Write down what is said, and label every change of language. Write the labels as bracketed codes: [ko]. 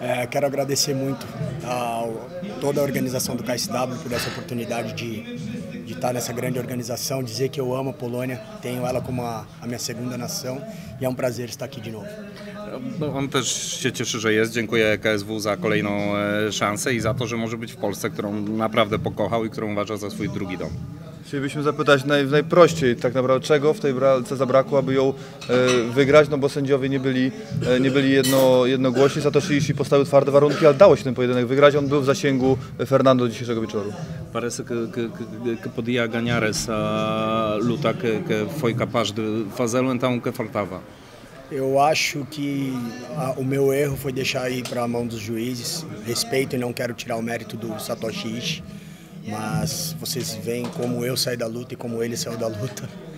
[pt] Quero agradecer muito a toda a organização do KSW por essa oportunidade de estar nessa grande organização, dizer que eu amo a Polônia, tenho ela como a minha segunda nação e é um prazer estar aqui de novo. [pl] On też się cieszy, że jest. Dziękuję KSW za kolejną szansę i za to, że może być w Polsce, którą naprawdę pokochał i którą uważa za swój drugi dom. Chcielibyśmy zapytać najprościej, tak naprawdę, czego w tej walce zabrakło, aby ją wygrać, no bo sędziowie nie byli jednogłośni. Satoshi Ishii postawił twarde warunki, ale dało się ten pojedynek wygrać. On był w zasięgu Fernando dzisiejszego wieczoru. [pt] Parece que podía ganhar essa luta que foi capaz de fazê-lo, então que faltava. Eu acho que o meu erro foi deixar ir para a mão dos juízes. Respeito e não quero tirar o mérito do Satoshi Ishii, mas vocês veem como eu saí da luta e como ele saiu da luta.